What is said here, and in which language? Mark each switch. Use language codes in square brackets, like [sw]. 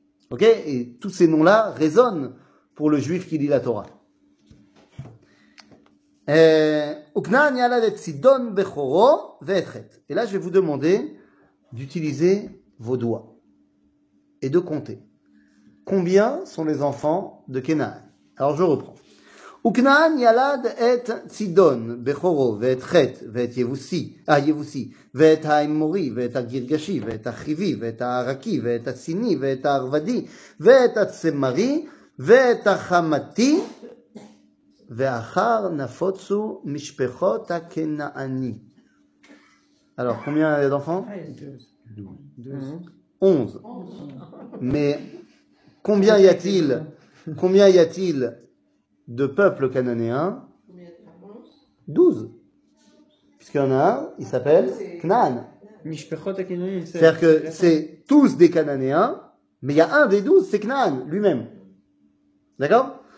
[fr] Ok? Et tous ces noms-là résonnent pour le juif qui lit la Torah. Et là, je vais vous demander d'utiliser vos doigts et de compter. Combien sont les enfants de Kenan? Alors, je reprends. [he] וכנען ילד את צידון בכורו ואת חת ואת יבוסי, יבוסי ואת האמורי ואת הגרגשי ואת החיבי ואת הערקי ואת הסיני ואת הערבדי ואת הצמרי ואת החמתי ואחר נפוצו משפחות הכנעני. [fr] Alors, combien il y a d'enfants? 11. Mais combien y a-t-il? Combien y a-t-il de peuple cananéen? 12. Puisqu'il y en a un, il s'appelle Knan. C'est-à-dire que c'est tous des cananéens, mais il y a un des 12, c'est Knan, lui-même. D'accord?